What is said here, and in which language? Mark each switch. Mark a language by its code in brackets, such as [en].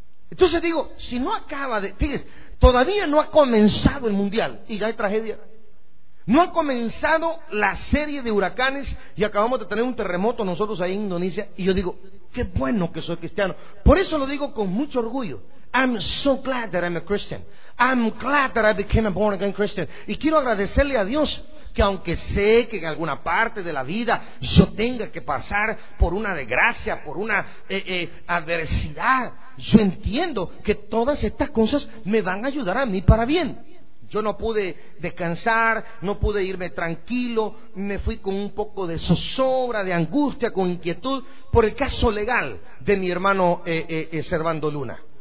[es] Entonces digo, si no acaba de, fíjese, todavía no ha comenzado el mundial y ya hay tragedia. No ha comenzado la serie de huracanes y acabamos de tener un terremoto nosotros ahí en Indonesia. Y yo digo, qué bueno que soy cristiano. Por eso lo digo con mucho orgullo. [en] I'm so glad that I'm a Christian. I'm glad that I became a born again Christian. [es] Y quiero agradecerle a Dios que aunque sé que en alguna parte de la vida yo tenga que pasar por una desgracia, por una adversidad, yo entiendo que todas estas cosas me van a ayudar a mí para bien. Yo no pude descansar, no pude irme tranquilo, me fui con un poco de zozobra, de angustia, con inquietud por el caso legal de mi hermano Servando Luna.